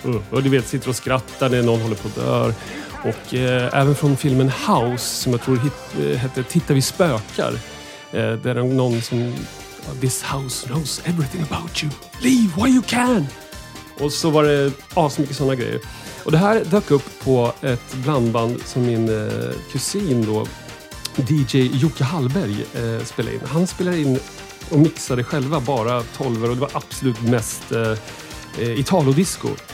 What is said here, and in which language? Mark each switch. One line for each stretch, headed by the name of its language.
Swedish: Och du vet, sitter och skrattar när någon håller på att dö. Och även från filmen House, som jag tror hette Tittar vi spökar. Det är någon som...
English: This house knows everything about you. Leave while you can!
Swedish: Och så var det asmycket sådana grejer. Och det här dök upp på ett blandband som min kusin då, DJ Jocke Hallberg, spelade in. Han spelade in och mixade själva bara 12:or och det var absolut mest italodisco.